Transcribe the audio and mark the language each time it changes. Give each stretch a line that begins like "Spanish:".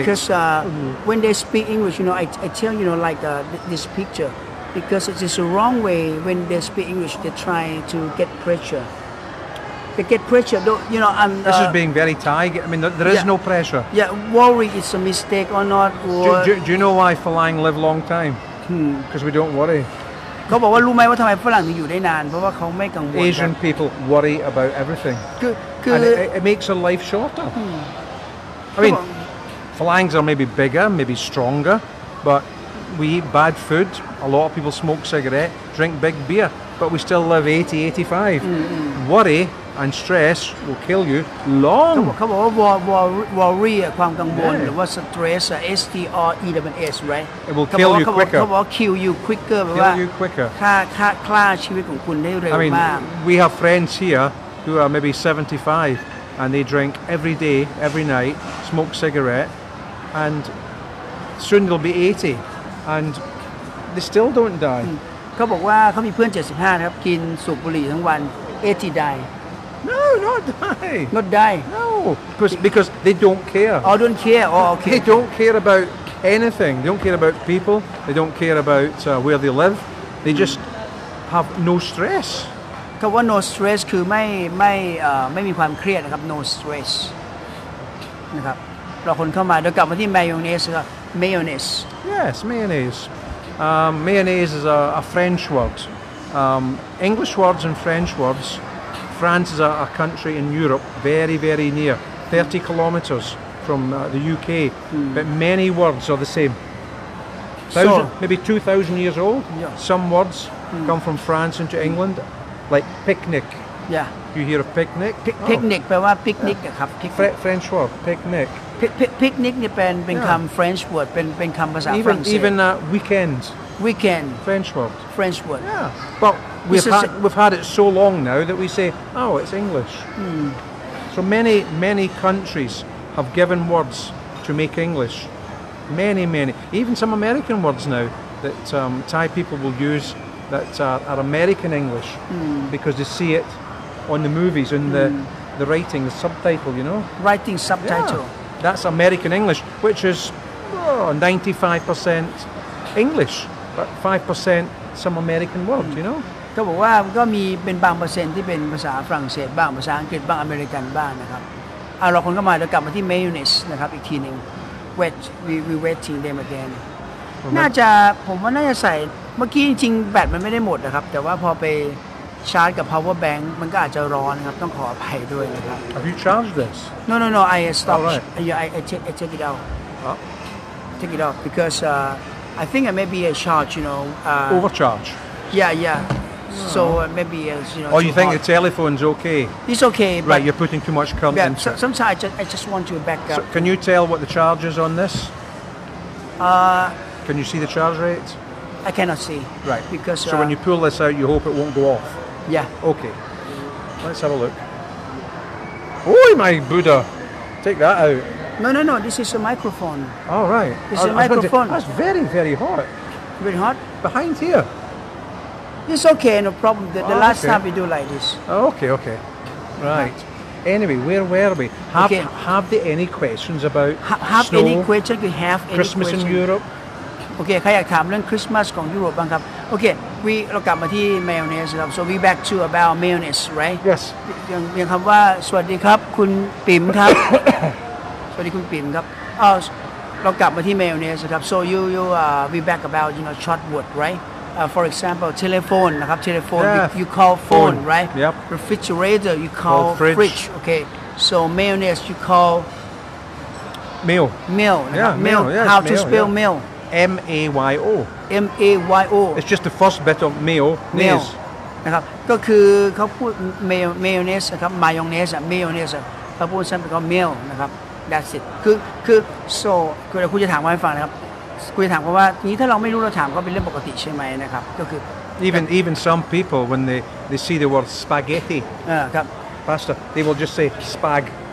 English: because when they speak English you know I tell you know like this picture because it is the wrong way when they speak English they try to get pressure. They get pressure, you know, and... This is being very Thai. I mean, there is no pressure. Yeah, worry is a mistake or not, or... Do you know why Falang live long time? Because we don't worry.
Thai: เขาบอกว่ารู้ไหมว่าทำไมฝรั่งถึงอยู่ได้นานเพราะว่าเขาไม่กังวล
English: Asian people worry about everything. And it makes a life shorter. I mean, Falangs are maybe bigger, maybe stronger, but we eat bad food. A lot of people smoke cigarette, drink big beer, but we still live 80, 85. Worry... And stress will kill you long.
Thai: เขาบอกว่า worry ความกังวลหรือว่า stress S T R E W S right
English: It will kill you quicker.
Thai: เขาบอกว่า
English: kill you quicker
Thai: แปลว่า
English: kill you quicker.
Thai: ฆ่าชีวิตของคุณได้เร็วมาก
English: I mean we have friends here who are maybe 75 and they drink every day, every night, smoke cigarette, and soon they'll be 80 and they still don't die.
Thai: เขาบอกว่าเขามีเพื่อน75ครับกินสูบบุหรี่ทั้งวัน 80 die
English: No, not die. Not die. No, because they don't care. Oh, don't care. Oh, okay. They don't care about anything. They don't care about people. They don't care about where they live. They just have no stress.
Thai: คำว่า no stress คือไม่มีความเครียดนะครับ no stress นะครับเราคนเข้ามาเดี๋ยวกลับมาที่ mayonnaise ครับ mayonnaise.
English: Yes, mayonnaise. Mayonnaise is a French word. English words and French words. France is a country in Europe, very, very near, 30 kilometers from the UK, but many words are the same. Maybe 2,000 years old, some words come from France into England, like picnic. Yeah. You hear of picnic?
Thai: Picnic, แปลว่า picnic ครับ
English: French word, picnic.
Thai: Picnic เป็นคำ
English: French word,
Thai: เป็นคำภาษาฝรั่งเศส
English: Even weekend. Weekend. French word. Yeah. But we've had it so long now that we say, oh, it's English. So many, many countries have given words to make English. Many, many. Even some American words now that Thai people will use that are American English because they see it on the movies, in the writing, the subtitle, you know? Writing subtitle. Yeah. That's American English, which is 95% English. But 5% some American words, you know?
Thai: เขาบอกว่าก็มีเป็นบางเปอร์เซ็นต์ที่เป็นภาษาฝรั่งเศสบ้างภาษาอังกฤษบ้างอเมริกันบ้างนะครับเอาเราคนเข้ามาเรากลับมาที่ mayonnaise นะครับอีกทีหนึ่ง
English: we waiting them again
Thai: น่าจะผมว่าน่าจะใส่เมื่อกี้จริงๆแบตมันไม่ได้หมดนะครับแต่ว่าพอไปชาร์จกับ power bank มันก็อาจจะร้อนครับต้องขออภัยด้วยนะครับ
English: Have you charged this? No I stopped I take it out take it off because I think maybe a charge, you know. Overcharge? Yeah. So maybe, you know. Oh, you think the telephone's okay? It's okay, but... Right, you're putting too much current into it. Yeah, sometimes I just want to back up. So can you tell what the charge is on this? Can you see the charge rate? I cannot see. Right. Because... So when you pull this out, you hope it won't go off? Yeah. Okay. Let's have a look. Oh, my Buddha. Take that out. No, this is a microphone. Oh, right. This is a microphone. That's very, very hot. Very hot? Behind here. It's okay, no problem. The last time we do like this. Okay. Right. Anyway, where were we? Have they any questions about have snow? Any questions? We have any Christmas question. In Europe?
Thai: Okay, ใครอยากถามเรื่อง Christmas ของยุโรปบ้างครับ Okay, we เรากลับมาที่ mayonnaise ครับ
English: So we back to about mayonnaise, right? Yes.
Thai: ยังคำว่าสวัสดีครับคุณปิ่มครับสวัสดีคุณปิ่มครับเรากลับมาที่ mayonnaise ครับ
English: So you we back about you know short word, right? For example, telephone
Thai: นะครับ
English: telephone yeah. you call phone, right? Yep. Refrigerator you call fridge. Okay. So mayonnaise you call mail. Mail. Yeah. Mail. Yeah, How to spell mail? Yeah. M-A-Y-O. M-A-Y-O. It's just the first bit of mayo. Mayo.
Thai: นะครับก็คือเขาพูด mayonnaise ครับ mayonnaise mayonnaise เขาพูดสั้นไปก็ mayo นะครับ
English: That's it.
Thai: คือ so คือเราคุณจะถามว่าให้ฟังนะครับคุณจะถามว่านี้ถ้าเราไม่รู้เราถามก็เป็นเรื่องปกติใช่ไหมนะครับก็คือ
English: even some people when they see the word spaghetti
Thai: ครับ
English: pasta they will just say spag.